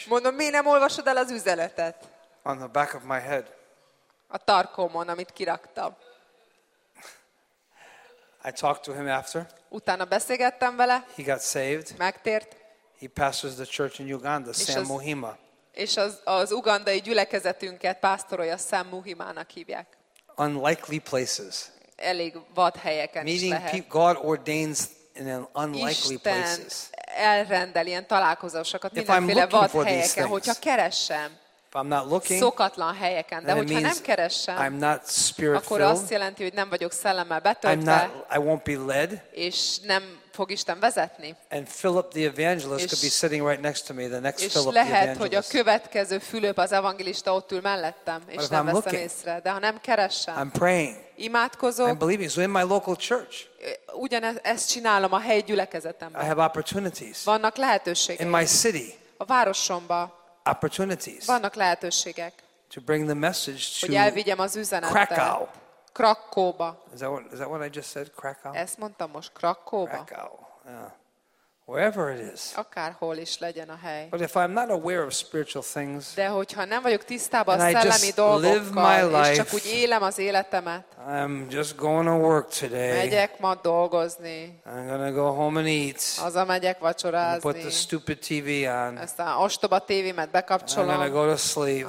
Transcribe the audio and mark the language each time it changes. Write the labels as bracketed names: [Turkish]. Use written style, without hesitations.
[Hungarian] Mondom, miért nem olvasod el az üzenetet? [English] On the back of my head. [Hungarian] A tarkomon, amit kiraktam. [English] I talked to him after. [Hungarian] Utána beszélgettem vele. [English] He got saved. [Hungarian] Megtért. [English] He pastors the church in Uganda, Sam Muhima. [Hungarian] És az ugandai gyülekezetünket pásztorolja Sam Muhimának hívják. [English] Unlikely places. [Hungarian] Elég vad helyeken [English] meeting [Hungarian] is lehet. [English] Meeting God ordains in unlikely [Hungarian] Isten [English] places. [Hungarian] Elrendel ilyen találkozásokat mindenféle vad helyeken, hogyha keressem. [English] If I'm not looking, [Hungarian] szokatlan helyeken, de hogyha nem keresem, [English] I'm not spirit [Hungarian] akkor azt jelenti, hogy nem vagyok szellemmel betöltve, [English] I won't be led, [Hungarian] és nem fog Isten vezetni. [English] And Philip the evangelist could be sitting right next to me, the next Philip the evangelist. [Hungarian] És lehet, hogy a következő Fülöp az evangelista ott ül mellettem, és nem veszem észre, de ha nem keresem, [English] I'm praying, [Hungarian] imádkozom, [English] I'm believing. So in my local church, [Hungarian] ugyanezt csinálom a helyi gyülekezetemben. [English] I have opportunities. [Hungarian] Vannak lehetőségek. [English] In my city, [Hungarian] a városomba. [English] Opportunities. [Hungarian] Vannak lehetőségek. [English] To bring the message to [Hungarian] hogy elvigyem az üzenetet. [English] Krakow. [Hungarian] Krakkóba. [English] Is that what I just said? Krakow. [Hungarian] Ezt mondtam most Krakkóba. [English] Krakow. Yeah. Wherever it is. [Hungarian] Akárhol is legyen a hely. [English] But if I'm not aware of spiritual things. [Hungarian] De hogyha nem vagyok tisztában a szellemi dolgokkal, és csak úgy élem az életemet. [English] I'm just going to work today. [Hungarian] Megyek ma dolgozni. [English] I'm gonna go home and eat. [Hungarian] Haza megyek vacsorázni. [English] Put the stupid TV on. [Hungarian] Aztán ostoba tévémet bekapcsolom. [English] I'm gonna go to sleep.